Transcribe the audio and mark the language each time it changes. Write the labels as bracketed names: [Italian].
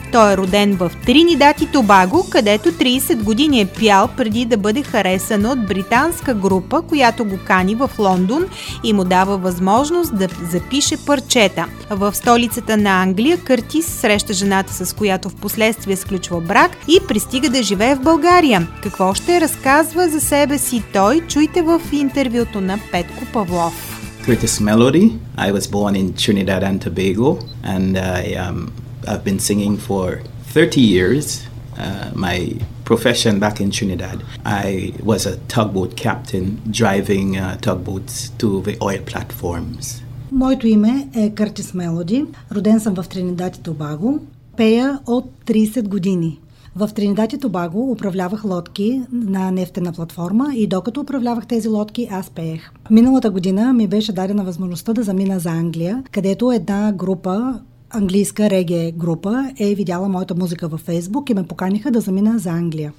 [Bulgarian] Той е роден в Тринидад и Тобаго, където 30 години е пял преди да бъде харесан от британска група, която го кани в Лондон и му дава възможност да запише парчета. В столицата на Англия Къртис среща жената, с която в последствие сключва брак и пристига да живее в България. Какво ще разказва за себе си той, чуйте в интервюто на Петко Павлов. [English] Curtis Melody. I was born in Trinidad and Tobago and I've been singing for 30 years. My profession back in Trinidad, I was a tugboat captain driving tugboats to the oil platforms. [Bulgarian] Моето име е Curtis Melody. Роден съм в Тринидад и Тобаго. Пея от 30 години. В Тринидад и Тобаго управлявах лодки на нефтена платформа и докато управлявах тези лодки, аз пеех. Миналата година ми беше дадена възможността да замина за Англия, където една група, английска реге група, е видяла моята музика във Фейсбук и ме поканиха да замина за Англия.